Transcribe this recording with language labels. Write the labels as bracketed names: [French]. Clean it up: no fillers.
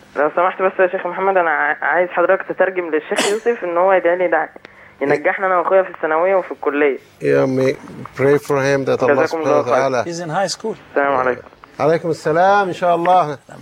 [Arabic] لو سمحت بس يا شيخ محمد انا عايز حضرتك تترجم للشيخ يوسف ان هو يدعي لي دعي. ينجحنا انا واخويا في الثانويه وفي الكليه. يا امي [English] pray for him that Allah [Arabic] سبحانه وتعالى. [English] He's in high school. [Arabic] السلام عليكم. عليكم السلام ان شاء الله.